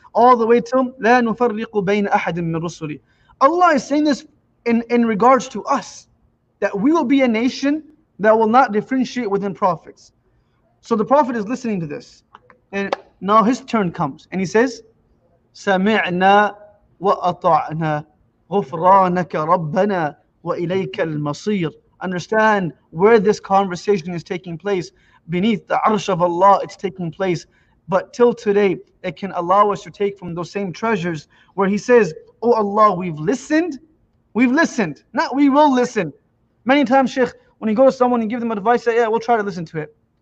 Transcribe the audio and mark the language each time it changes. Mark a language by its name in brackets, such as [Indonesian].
[English] All the way till [Arabic] لَا نُفَرِّقُ بَيْنَ أَحَدٍ مِّنْ رَسُولِي. [English] Allah is saying this in regards to us, that we will be a nation that will not differentiate within prophets. So the prophet is listening to this. And now his turn comes. And he says, [Arabic] سَمِعْنَا وَأَطَعْنَا غُفْرَانَكَ رَبَّنَا وَإِلَيْكَ الْمَصِيرُ. [English] Understand where this conversation is taking place. Beneath the arsh of Allah, it's taking place. But till today, it can allow us to take from those same treasures where he says, oh Allah, we've listened. We've listened. Not we will listen. Many times, Shaykh, when you go to someone and give them advice, say, yeah, we'll try to listen to it.